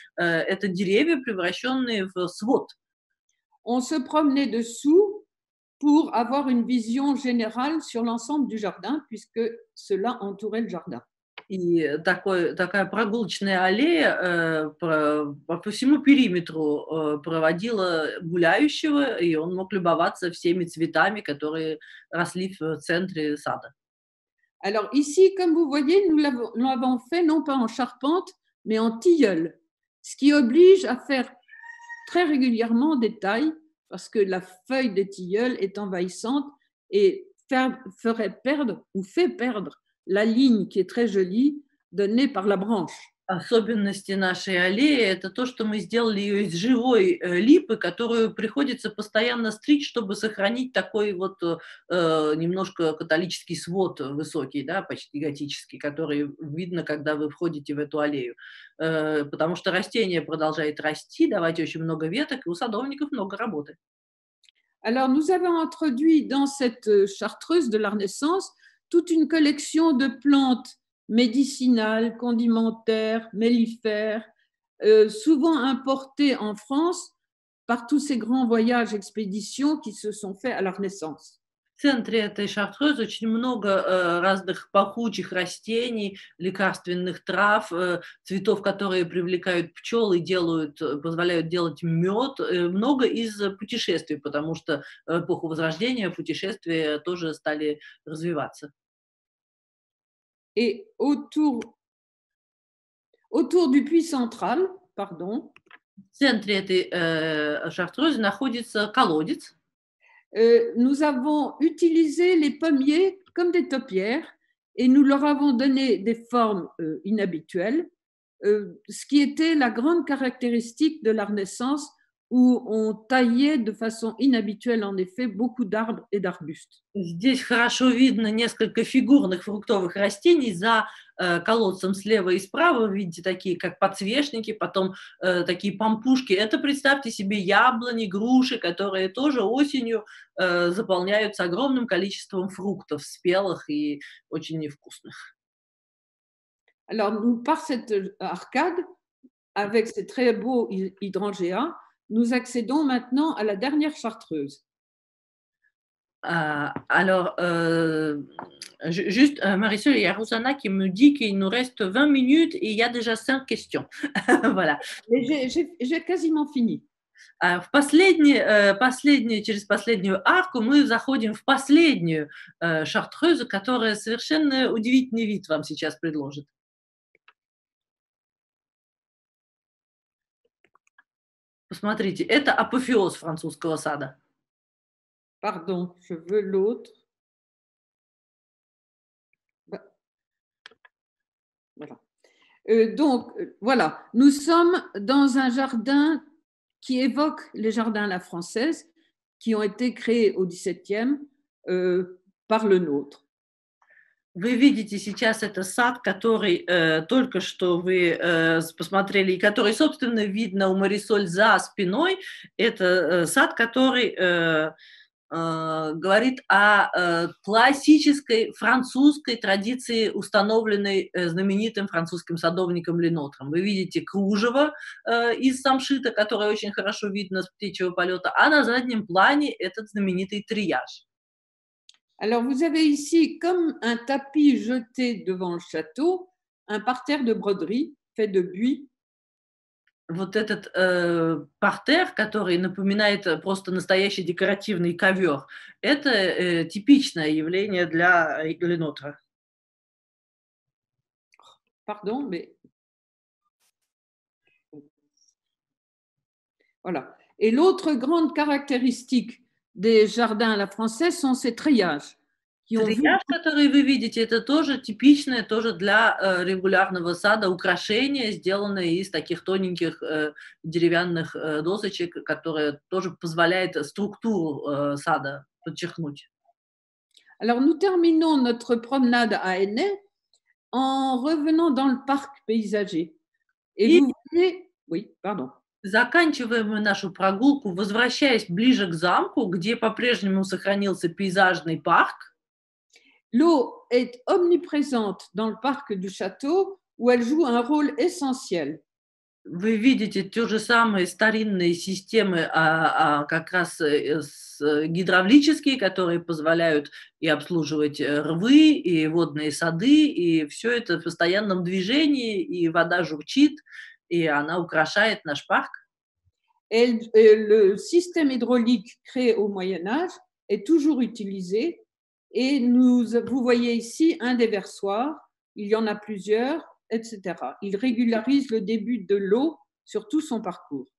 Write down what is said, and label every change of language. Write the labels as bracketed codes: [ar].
[ru] Это деревья, превращенные в свод. [fr] On se promenait dessous pour avoir une vision générale sur l'ensemble du jardin, puisque cela entourait le jardin. [ru] И такая прогулочная аллея по всему периметру проводила гуляющего, и он мог любоваться всеми цветами, которые росли в центре сада. [fr] Alors ici, comme vous voyez, nous l'avons fait non pas en charpente, mais en tilleul, ce qui oblige à faire très régulièrement des tailles, parce que la feuille de tilleul est envahissante et ferait perdre ou fait perdre la ligne qui est très jolie donnée par la branche. [ru] Особенности нашей аллеи – это то, что мы сделали ее из живой липы, которую приходится постоянно стричь, чтобы сохранить такой вот немножко католический свод высокий, да, почти готический, который видно, когда вы входите в эту аллею. Потому что растение продолжает расти, давать очень много веток, и у садовников много работы. [fr] Alors, nous avons introduit dans cette chartreuse de la Renaissance toute une collection de plantes médicinales, condimentaires, mellifères, souvent importées en France par tous ces grands voyages, expéditions qui se sont faits à la Renaissance. [ru] В центре этой шартреузы очень много разных пахучих растений, лекарственных трав, цветов, которые привлекают пчел и делают, позволяют делать мед. Много из путешествий, потому что в эпоху Возрождения путешествия тоже стали развиваться. [fr] Et autour du puits central, pardon. [ru] В центре этой шартреузы находится колодец. [fr] Nous avons utilisé les pommiers comme des topières et nous leur avons donné des formes inhabituelles, ce qui était la grande caractéristique de la Renaissance où on taillait de façon inhabituelle, en effet, beaucoup d'arbres et d'arbustes. [ru] Здесь хорошо видно несколько фигурных фруктовых растений за колодцем слева и справа, видите, такие как подсвечники, потом такие помпушки. Это, представьте себе, яблони, груши, которые тоже осенью заполняются огромным количеством фруктов, спелых и очень невкусных. [fr] Alors, par cette arcade, avec ces très beaux hydrangea, nous accédons maintenant à la dernière chartreuse. Juste Marisol, il y a Rosana qui me dit qu'il nous reste 20 minutes et il y a déjà 5 questions. Voilà. Mais j'ai quasiment fini. [ru] В последний, последний, через последнюю арку мы заходим в последнюю шартреузу, которая совершенно удивительный вид вам сейчас предложит. Посмотрите, это апофеоз французского сада. [fr] Pardon, je veux l'autre. Voilà. Donc, voilà, nous sommes dans un jardin qui évoque les jardins à la française, qui ont été créés au XVIIe par le nôtre. [ru] Вы видите сейчас это сад, который только что вы посмотрели, и который, собственно, видно у Марисоль за спиной. Это сад, который говорит о классической французской традиции, установленной знаменитым французским садовником Ленотром. Вы видите кружево из самшита, которое очень хорошо видно с птичьего полета, а на заднем плане этот знаменитый трияж. [fr] Alors, vous avez ici, comme un tapis jeté devant le château, un parterre de broderie fait de buis. [ru] Вот этот партер, который напоминает просто настоящий декоративный ковер, это типичное явление для Ленотра. [fr] Pardon, mais... Voilà. Et l'autre grande caractéristique des jardins à la française sont ces treillages. [ru] Трияж, который вы видите, это тоже типичное, тоже для регулярного сада украшение, сделанное из таких тоненьких деревянных досочек, которое тоже позволяет структуру сада подчеркнуть. [fr] Alors, nous terminons notre promenade à Ainay en revenant dans le parc paysager. Et vous voyez... Oui, pardon. [ru] Заканчиваем мы нашу прогулку, возвращаясь ближе к замку, где по-прежнему сохранился пейзажный парк. [fr] L'eau est omniprésente dans le parc du château où elle joue un rôle essentiel. [ru] Вы видите те же самые старинные системы, как раз гидравлические, которые позволяют и обслуживать рвы, и водные сады, и все это в постоянном движении, и вода журчит, и она украшает наш парк. [fr] Le système hydraulique créé au Moyen-Âge est toujours utilisé, et vous voyez ici un des versoirs, il y en a plusieurs, etc. Il régularise le début de l'eau sur tout son parcours.